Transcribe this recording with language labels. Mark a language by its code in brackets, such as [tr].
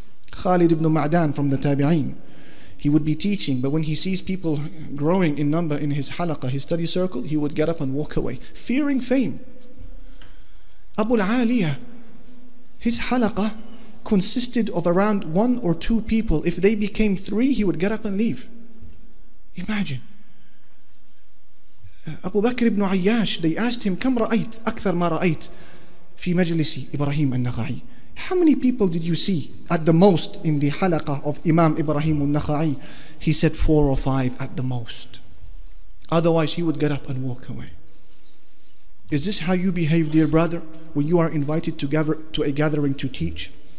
[en] Khalid ibn Ma'dan from the Tabi'een, he would be teaching, but when he sees people growing in number in his halaqa, his study circle, he would get up and walk away, fearing fame. Abu al-Aliyah, his halaqa consisted of around one or two people. If they became three, he would get up and leave. Imagine. Abu Bakr ibn Ayyash, they asked him, [ar] كم رأيت أكثر ما رأيت في مجلس إبراهيم النخعي. [en] How many people did you see at the most in the halaqa of Imam Ibrahim al-Nakhai? He said 4 or 5 at the most. Otherwise, he would get up and walk away. Is this how you behave, dear brother, when you are invited to gather to a gathering to teach?